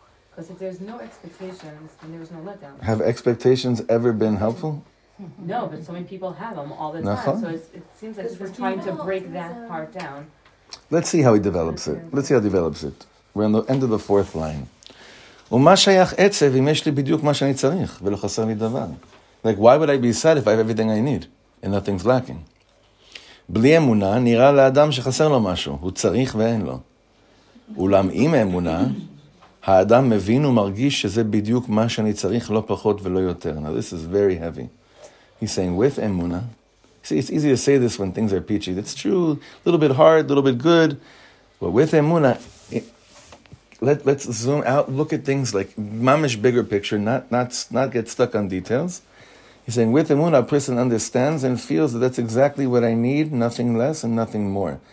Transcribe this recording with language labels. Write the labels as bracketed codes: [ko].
[en] Because if there's no expectations, then there's no letdown. Have expectations ever been helpful? No, but so many people have them all the time. Nachon? So it seems like we're trying to break that part down. Let's see how he develops it. Let's see how he develops it. We're on the end of the fourth line. [he] ומה שייך עצב אם יש לי בדיוק מה שאני צריך ולא חסר לי דבר? [en] Like, why would I be sad if I have everything I need and nothing's lacking? [he] בלי אמונה נראה לאדם שחסר לו משהו, הוא צריך ואין לו. אולם עם אמונה, האדם מבין ומרגיש שזה בדיוק מה שאני צריך, לא פחות ולא יותר. [en] Now this is very heavy. He's saying, with אמונה, see, it's easy to say this when things are peachy. It's true, a little bit hard, a little bit good. But with Emuna, let's zoom out, look at things like mamish bigger picture, not get stuck on details. He's saying, with Emuna, a person understands and feels that that's exactly what I need, nothing less and nothing more.